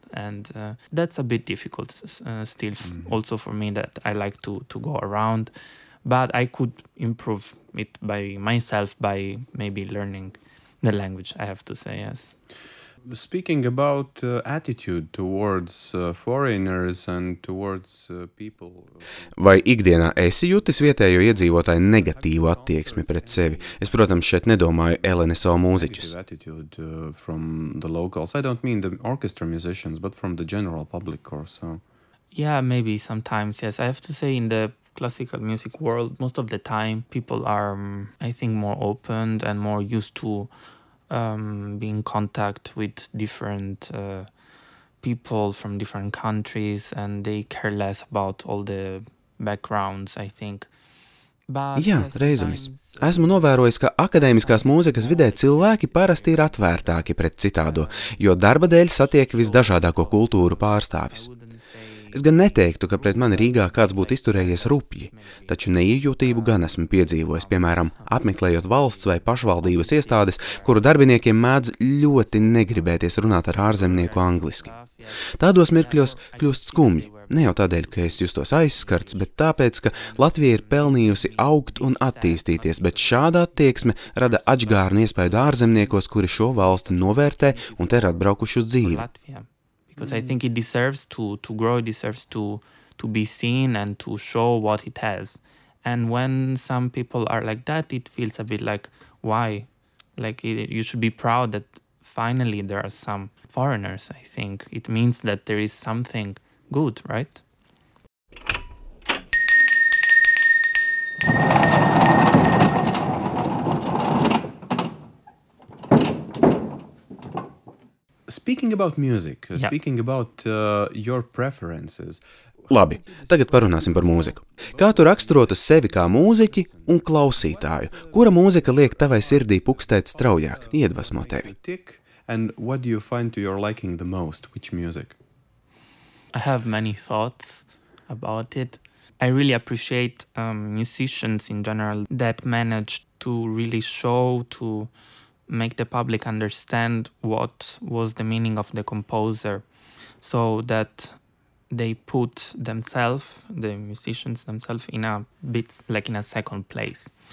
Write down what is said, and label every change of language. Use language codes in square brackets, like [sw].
[en] And that's a bit difficult still, also for me, that I like to go around. But I could improve it by myself, by maybe learning the language, I have to say, yes. Speaking about attitude towards foreigners and towards people. [lv] Vai ikdienā esi jutis vietējo iedzīvotāju negatīvu attieksmi pret sevi? Es, protams, šeit nedomāju LNSO mūziķus. [en] From the locals. I don't mean the orchestra musicians, but from the general public or so. Yeah, maybe sometimes, yes. I have to say in the classical music world, most of the time people are, I think, more open and more used to being in contact with different people from different countries, and they care less about all the backgrounds, I think. [lv] Jā, reizumis. Esmu novērojis, ka akadēmiskās mūzikas vidē cilvēki parasti ir atvērtāki pret citādo, jo darba dēļ satiek visdažādāko kultūru pārstāvis. Es gan neteiktu, ka pret mani Rīgā kāds būtu izturējies rupji, taču neiejūtību gan esmu piedzīvojis, piemēram, apmeklējot valsts vai pašvaldības iestādes, kuru darbiniekiem mēdz ļoti negribēties runāt ar ārzemnieku angliski. Tādos mirkļos kļūst skumji, ne jau tādēļ, ka es justos aizskarts, bet tāpēc, ka Latvija ir pelnījusi augt un attīstīties, bet šāda attieksme rada atžgārnu iespaidu ārzemniekos, kuri šo valsti novērtē un te ir atbraukuši uz dzīvi. [en] Because I think it deserves to grow, it deserves to be seen and to show what it has. And when some people are like that, it feels a bit like, why? Like, you should be proud that finally there are some foreigners, I think. It means that there is something good, right? Speaking about music, speaking about your preferences. [lv] Labi, tagad parunāsim par mūziku. Kā tu raksturotu sevi kā mūziķi un klausītāju? Kura mūzika liek tavai sirdī pukstēt straujāk, iedvesmo tevi? [en] And what do you find to your liking the most? Which music? I have many thoughts about it. I really appreciate musicians in general that manage to really show to make the public understand what was the meaning of the composer, so that they put themselves, the musicians themselves, in a bit like in a second place.